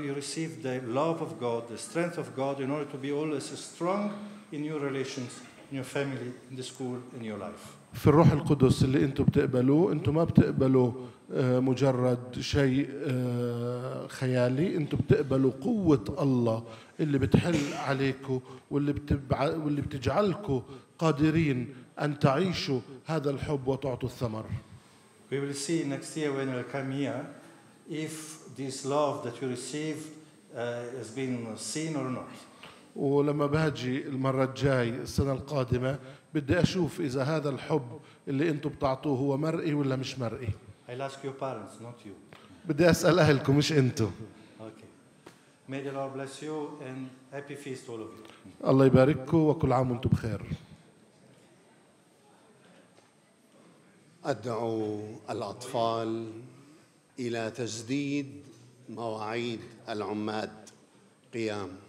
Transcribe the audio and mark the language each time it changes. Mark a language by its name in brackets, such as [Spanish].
[English] You receive the love of God, the strength of God, in order to be always strong in your relations, in your family, in the school, in your life. [Arabic] في الروح القدس اللي أنتم بتقبلوا، أنتم ما بتقبلوا مجرد شيء خيالي، أنتم بتقبلوا قوة الله اللي بتحل عليكم واللي بتجعلكم قادرين أن تعيشوا هذا الحب وتعطوا الثمر. [English] We will see next year when we come here if this love that you received has been seen or not. [Arabic] ولما باجي المرة الجاي السنة القادمة بدي أشوف إذا هذا الحب اللي أنتم بتعطوه هو مرئي ولا مش مرئي. [English] I'll ask your parents, not you. [Arabic] بدي أسأل أهلكم مش أنتم. [English] Okay. May the Lord bless you and happy feast all of you. [Arabic] الله يبارككم وكل عام وأنتم بخير. أدعو الأطفال إلى تجديد مواعيد العماد قيام.